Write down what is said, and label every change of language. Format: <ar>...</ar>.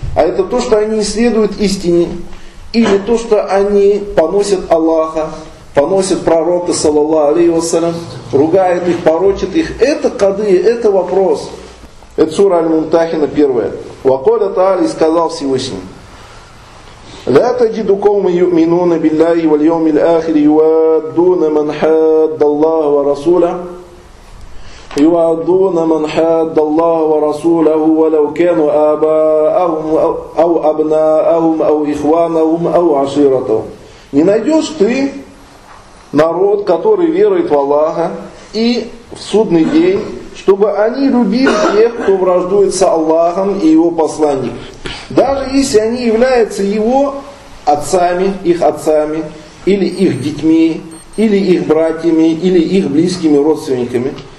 <ru>А это то, что они следуют истине, или то, что они поносят Аллаха, поносят пророка, саллаллаху алейхи вассалям, ругают их, порочат их. Это кады, это вопрос. Это сура Аль-Мумтахина, первая.</ru> <ar>«Ва каля Тааля»,</ar> <ru>сказал Всевышний:</ru> <ar>«Ля таджиду кавма юминуна билляхи вальяумиль ахири юаддуна ман хадда Аллаха ва расуля». يوعدون من حاد الله ورسوله ولو كانوا آباءهم أو أبناءهم أو إخوانهم أو عشيرتهم.</ar> <ru>Не найдешь ты народ, который верует в Аллаха, и в судный день, чтобы они любили тех, кто враждует с Аллахом и его посланником. Даже если они являются его отцами, их отцами, или их детьми, или их братьями, или их близкими родственниками.</ru>